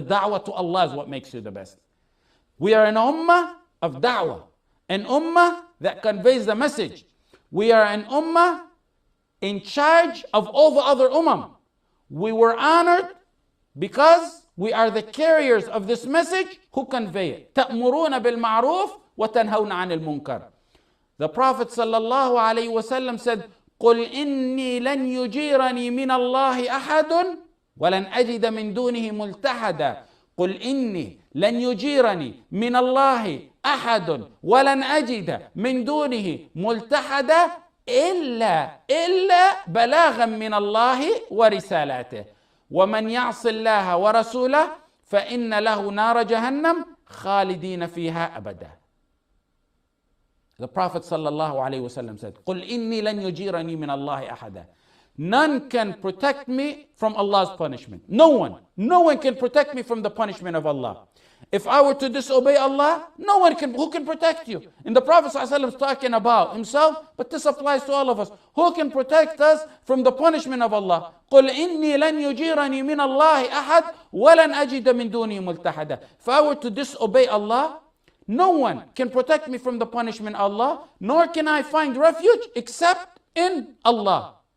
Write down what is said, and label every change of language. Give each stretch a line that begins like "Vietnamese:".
English: The da'wah to Allah is what makes you the best. We are an ummah of da'wah. An ummah that conveys the message. We are an ummah in charge of all the other umam. We were honored because we are the carriers of this message who convey it.
Arabic: تَأْمُرُونَ بِالْمَعْرُوفِ وَتَنْهَوْنَ عَنِ الْمُنْكَرِ
English: The Prophet sallallahu alayhi wa sallam said,
Arabic: قُلْ إِنِّي لَنْ يُجِيرَنِي مِنَ اللَّهِ أَحَدٌ وَلَنْ أَجِدَ مِنْ دُونِهِ مُلْتَحَدًا قُلْ إِنِّي لَنْ يُجِيرَنِي مِنَ اللَّهِ أَحَدٌ وَلَنْ أَجِدَ مِنْ دُونِهِ مُلْتَحَدًا إِلَّا بَلَاغًا مِنَ اللَّهِ وَرِسَالَاتِهِ وَمَنْ يَعْصِ اللَّهَ وَرَسُولَهُ فَإِنَّ لَهُ نَارَ جَهَنَّمَ خَالِدِينَ فِيهَا أَبَدًا
English: The Prophet sallallahu alayhi wa sallam said,
Arabic: قُلْ إِنِّي لَنْ يُجِيرَنِي مِنَ اللَّهِ أَحَدًا
English: None can protect me from Allah's punishment. No one. No one can protect me from the punishment of Allah. If I were to disobey Allah, no one can. Who can protect you? And the Prophet sallallahu alayhi wa sallam is talking about himself, but this applies to all of us. Who can protect us from the punishment of Allah?
Arabic: قُلْ إِنِّي لَنْ يُجِيرَنِي مِنَ اللَّهِ أَحَدًا وَلَنْ أَجِدَ مِنْ دُونِي مُلْتَحَدًا
English: If I were to disobey Allah, No one can protect me from the punishment of Allah, nor can I find refuge except in Allah.